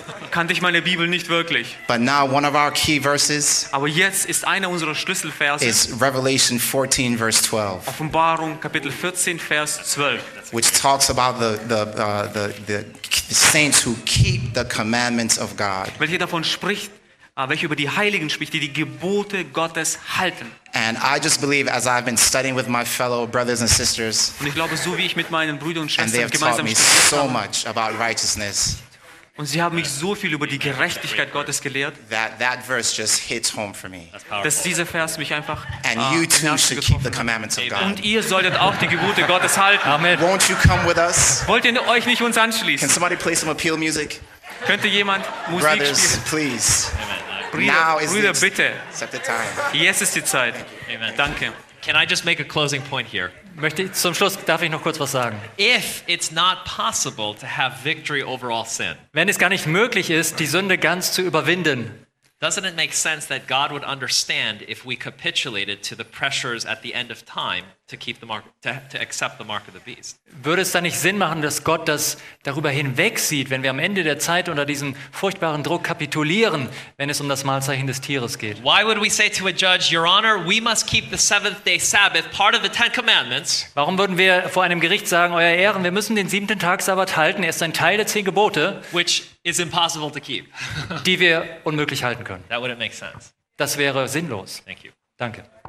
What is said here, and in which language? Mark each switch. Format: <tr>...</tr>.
<de>Kannte ich meine Bibel nicht wirklich.</de> <en>But now one of our key verses.</en> <de>Aber jetzt ist einer unserer Schlüsselverse.</de> <en>Is Revelation 14 verse 12.</en> <de>Offenbarung Kapitel 14 Vers 12.</de> <en>Which talks about the saints who keep the commandments of God.</en> <de>Welche davon spricht? Welche über die Heiligen spricht, die Gebote Gottes halten.</de> <en>And I just believe, as I've been studying with my fellow brothers and sisters,</en> <de>und ich glaube, so wie ich mit meinen Brüdern und Schwestern gemeinsam studiert habe,</de> <en>so much about righteousness,</en> <de>und sie haben mich so viel über die Gerechtigkeit Gottes gelehrt,</de> <en>that verse just hits home for me.</en> <de>Dass dieser Vers mich einfach</de> <en>and you too should keep the commandments of God.</en> <de>Und ihr solltet auch die Gebote Gottes halten.</de> <en>Amen. Won't you come with us?</en> <de>Wollt ihr euch nicht uns anschließen?</de> <en>Can somebody play some appeal music?</en> <de>Könnte jemand Musik</de> <en>Brothers,</en> <de>spielen?</de> <en>Please.</en> <de>Brüder, bitte.</de> <en>Time.</en> <de>Jetzt ist die Zeit.</de> <en>Amen.</en> <de>Danke.</de> <en>Can I just make a closing point here?</en> <de>Möchte ich zum Schluss darf ich noch kurz was sagen?</de> <en>If it's not possible to have victory over all sin,</en> <de>wenn es gar nicht möglich ist, die Sünde ganz zu überwinden,</de> <en>doesn't it make sense that God would understand if we capitulated to the pressures at the end of time to keep the mark, to accept the mark of the beast?</en> <de>Würde es dann nicht Sinn machen, dass Gott das darüber hinwegsieht, wenn wir am Ende der Zeit unter diesem furchtbaren Druck kapitulieren, wenn es um das Mahlzeichen des Tieres geht?</de> <en>Why would we say to a judge, Your Honor, we must keep the seventh day Sabbath, part of the Ten Commandments?</en> <de>Warum würden wir vor einem Gericht sagen, Euer Ehren, wir müssen den siebten Tag Sabbat halten, er ist ein Teil der zehn Gebote,</de> <en>which is impossible to keep,</en> <de>die wir unmöglich halten können?</de> <en>That wouldn't make sense.</en> <de>Das wäre sinnlos.</de> <en>Thank you.</en> <de>Danke.</de>